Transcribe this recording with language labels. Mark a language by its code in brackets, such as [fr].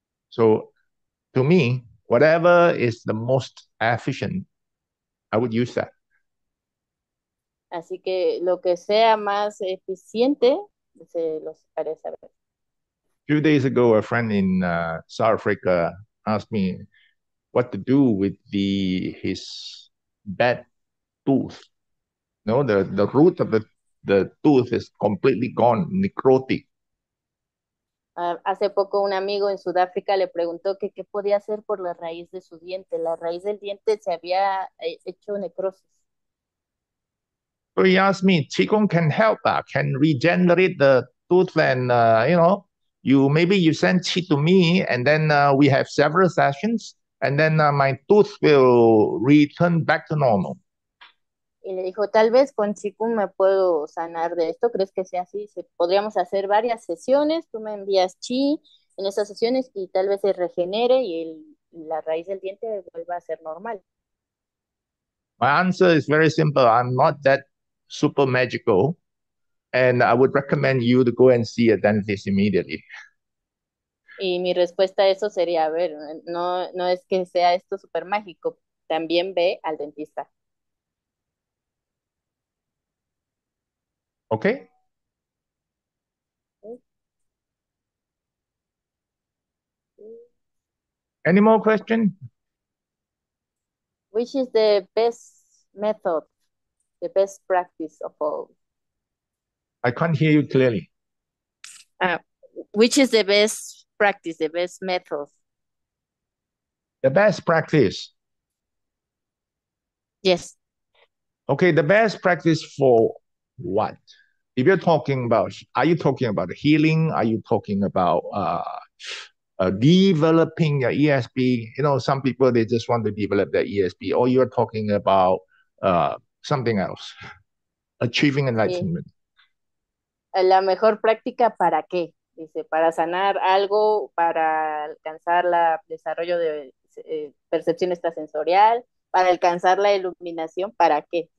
[en] So, to me, whatever is the most efficient, I would use that. [es] Así que lo que sea más eficiente, se los haré saber. [en] Few days ago, a friend in South Africa asked me what to do with his bad tooth. No, the root of the tooth is completely gone, necrotic. [es] Hace poco un amigo en Sudáfrica le preguntó que qué podía hacer por la raíz de su diente. La raíz del diente se había hecho necrosis. [en] So he asked me, Qigong can help, can regenerate the tooth and maybe you send Qi to me and then we have several sessions and then my tooth will return back to normal. [es] Y le dijo, tal vez con Chikung me puedo sanar de esto, ¿crees que sea así? Podríamos hacer varias sesiones, tú me envías chi en esas sesiones y tal vez se regenere y la raíz del diente vuelva a ser normal. [en] My answer is very simple. I'm not that super magical, and I would recommend you to go and see a dentist immediately. [es] Y mi respuesta a eso sería, a ver, no es que sea esto súper mágico, también ve al dentista. [en] Okay. Any more questions? Which is the best method, the best practice of all? I can't hear you clearly. Which is the best practice, the best method? The best practice. Yes. Okay, the best practice for what? If you're talking about, are you talking about healing? Are you talking about developing your ESP? Some people they just want to develop their ESP, or you're talking about something else, achieving [es] Sí. [en] enlightenment. [es] La mejor práctica, ¿para qué? Dice, para sanar algo, para alcanzar el desarrollo de percepción extrasensorial, para alcanzar la iluminación, ¿para qué?